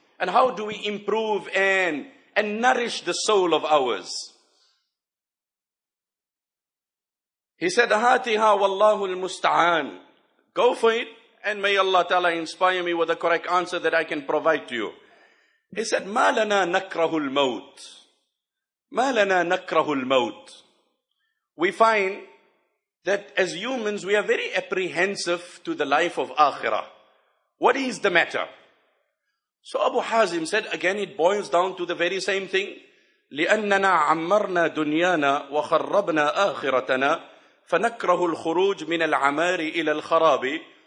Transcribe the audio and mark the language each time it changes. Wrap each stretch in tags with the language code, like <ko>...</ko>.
<en>And how do we improve and nourish the soul of ours? He said,</en> <ar>Hatiha wallahu al-musta'an.</ar> <en>Go for it, and may Allah Ta'ala inspire me with the correct answer that I can provide to you. He said,</en> <ar>مَا لَنَا نَكْرَهُ الْمَوْتِ. مَا لَنَا نَكْرَهُ الْمَوْتِ.</ar> <en>We find that as humans, we are very apprehensive to the life of Akhirah. What is the matter? So Abu Hazim said, again, it boils down to the very same thing.</en> <ar>لِأَنَّنَا عَمَّرْنَا دُنْيَانَا وَخَرَّبْنَا آخِرَتَنَا فَنَكْرَهُ الْخُرُوجِ مِنَ الْعَمَارِ إِلَى الْخَرَابِ.</ar>